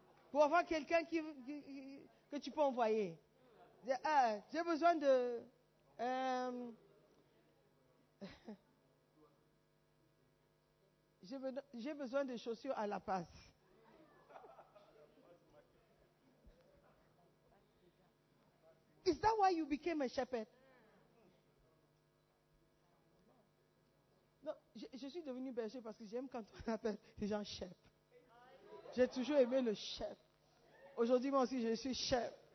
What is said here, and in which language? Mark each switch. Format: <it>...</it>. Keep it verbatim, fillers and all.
<fr>Pour avoir quelqu'un qui, qui, que tu peux envoyer. Ah, j'ai besoin de... Euh, j'ai besoin de chaussures à la passe.</fr> <en>Is that why you became a shepherd?</en> <fr>Non, je, je suis devenue berger parce que j'aime quand on appelle les gens chef. J'ai toujours aimé le chef. Aujourd'hui, moi aussi, je suis chef.</fr>